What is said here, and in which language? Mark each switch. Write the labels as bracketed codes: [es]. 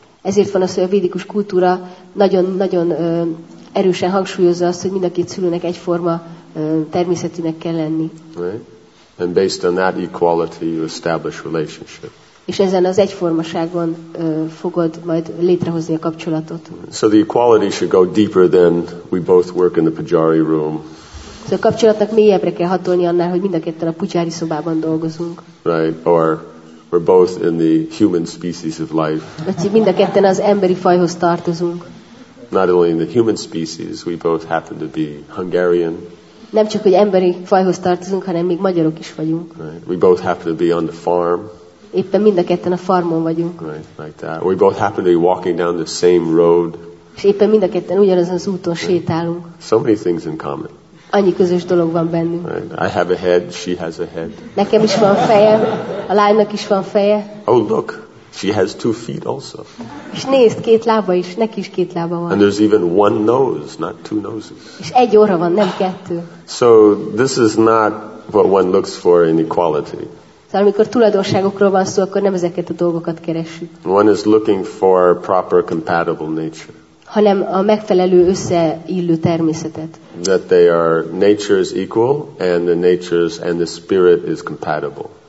[hu] Ezért van az, hogy a védikus kultúra nagyon-nagyon erősen hangsúlyozza azt, hogy mind a két szülőnek egyforma természetűnek kell lenni. [en] Right? And based on that equality you establish relationship. [hu] És ezen az egyformaságon fogod majd létrehozni a kapcsolatot. [en] So the equality should go deeper than we both work in the pujari room. [hu] Szóval a kapcsolatnak mélyebbre kell hatolni annál, hogy mind a ketten a pujari szobában dolgozunk. [en] Right, or we're both in the human species of life. [hu] Vagy mind a ketten az emberi fajhoz tartozunk. [en] Not only in the human species, we both happen to be Hungarian. [hu] Nem csak, hogy emberi fajhoz tartozunk, hanem még magyarok is vagyunk. [en] Right. We both happen to be on the farm. [hu] Éppen mind a ketten a farmon vagyunk. [en] Right, like that. We both happen to be walking down the same road. [hu] És éppen mind a ketten ugyanazon az úton sétálunk. [en] So many things in common. [hu] Annyi közös dolog van bennünk. [en] Right. I have a head, she has a head. [hu] Nekem is van feje, a lánynak is van feje. [en] Oh, look, she has two feet also. [hu] És nézd, két lába is, neki is két lába van. [en] And there's even one nose, not two noses. [hu] És egy orra van, nem kettő. [en] So this is not what one looks for in equality. [hu] De amikor tulajdonságokról van szó, akkor nem ezeket a dolgokat keresünk. [en] One is looking for proper compatible nature. [hu] Hanem a megfelelő összeillő természetet. [en] That they are natures equal and the natures and the spirit is compatible.